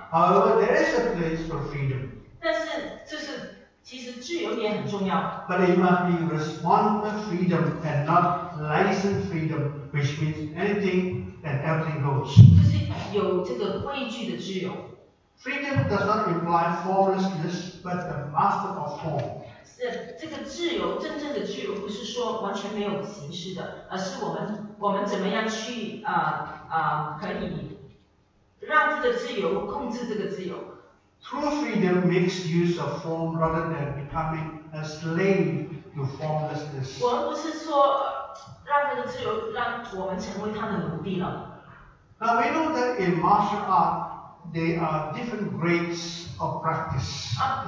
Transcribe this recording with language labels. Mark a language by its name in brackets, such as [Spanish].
[English] However, there is a place for freedom. [Chinese] 但是其实自由也很重要。 [English] But it must be responsible freedom and not licensed freedom, which means anything and everything goes. [Chinese] 就是有这个规矩的自由。 [English] Freedom does not imply formlessness, but the master of form. [Chinese] 这个自由，真正的自由，不是说完全没有形式的，而是我们怎么样去可以让这个自由控制这个自由。 [English] True freedom makes use of form rather than becoming a slave to formlessness. [Chinese] 我们不是说让这个自由让我们成为他的奴隶了。 [English] Now we know that in martial art, there are different grades of practice.